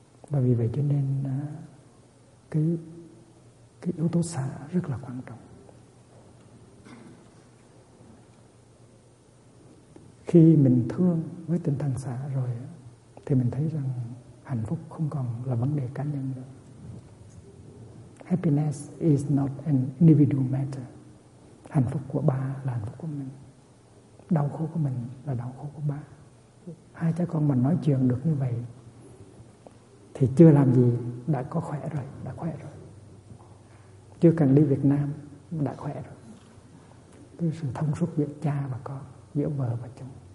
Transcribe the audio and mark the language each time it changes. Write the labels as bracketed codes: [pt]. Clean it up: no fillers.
[vi] Và vì vậy cho nên cái yếu tố xã rất là quan trọng. Khi mình thương với tinh thần xã rồi thì mình thấy rằng hạnh phúc không còn là vấn đề cá nhân nữa. [en] Happiness is not an individual matter. [vi] Hạnh phúc của ba là hạnh phúc của mình, đau khổ của mình là đau khổ của ba. Hai cha con mà nói chuyện được như vậy thì chưa làm gì đã có khỏe rồi, đã khỏe rồi. Chưa cần đi Việt Nam đã khỏe rồi. Cái sự thông suốt giữa cha và con, giữa vợ và chồng.